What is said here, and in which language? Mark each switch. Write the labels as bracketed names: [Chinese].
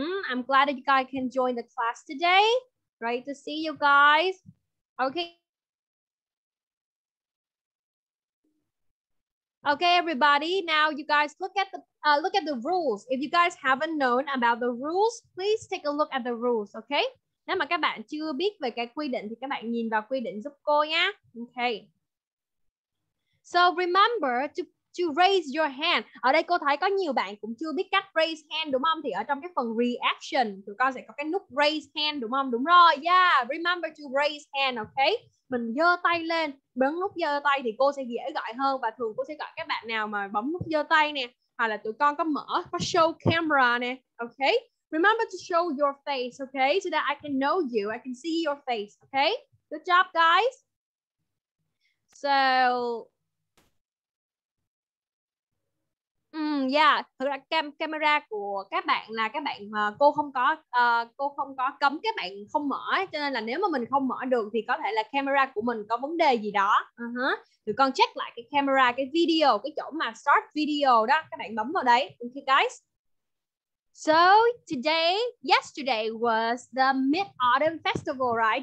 [English] I'm glad that you guys can join the class today. Great to see you guys. Okay, everybody. Now you guys look at the rules. If you guys haven't known about the rules, please take a look at the rules, okay? [Vietnamese] Nếu mà các bạn chưa biết về cái quy định thì các bạn nhìn vào quy định giúp cô nhé. Okay. [English] So remember to raise your hand. [Vietnamese] Ở đây cô thấy có nhiều bạn cũng chưa biết cách raise hand đúng không? Thì ở trong cái phần reaction, tụi con sẽ có cái nút raise hand đúng không? Đúng rồi, yeah. [English] Remember to raise hand, okay? [Vietnamese] Mình giơ tay lên, bấm nút giơ tay thì cô sẽ dễ gọi hơn. Và thường cô sẽ gọi các bạn nào mà bấm nút giơ tay nè, hoặc là tụi con có mở, có show camera nè, okay? [English] Remember to show your face, okay? So that I can know you, I can see your face, okay? Good job, guys. So yeah, [Vietnamese] thực ra camera của các bạn là các bạn cô không có cấm các bạn không mở, cho nên là nếu mà mình không mở được thì có thể là camera của mình có vấn đề gì đó. Thì con check lại cái camera, cái video, cái chỗ mà start video đó, các bạn bấm vào đấy. [English] Okay guys. So today, yesterday was the Mid Autumn Festival, right?